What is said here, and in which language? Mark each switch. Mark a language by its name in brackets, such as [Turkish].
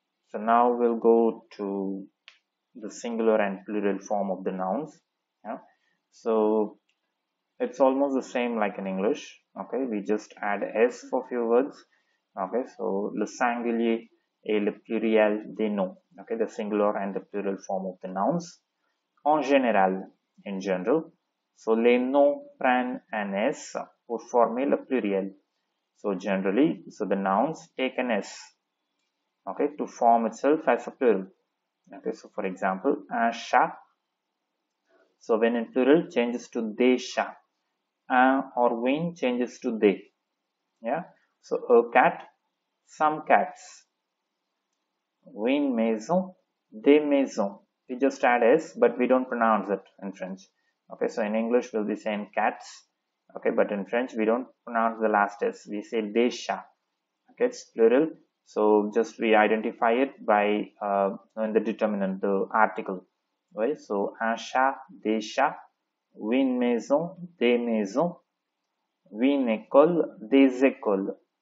[English] So now we'll go to the singular and plural form of the nouns. Yeah. So it's almost the same like in English. Okay, we just add S for a few words. Okay, so [French] le singulier et le pluriel des noms. [English] Okay, the singular and the plural form of the nouns. [French] En général, [English] in general. [French] So les noms prennent an S pour former le pluriel. [English] So generally, so the nouns take an S. Okay, to form itself as a plural. Okay, so for example, [French] un chat. [English] So when in plural, changes to [French] des chats. [English] Un or when changes to des. Yeah, so a cat, some cats. [French] Une maison, des maisons. [English] We just add S, but we don't pronounce it in French. Okay, so in English, we'll be saying cats. Okay, but in French, we don't pronounce the last S. We say [French] des chats. [English] Okay, it's plural. So just we identify it by knowing the determinant, the article. Right? [French] So un chat, des chats, une maison, des maisons, une école, des écoles.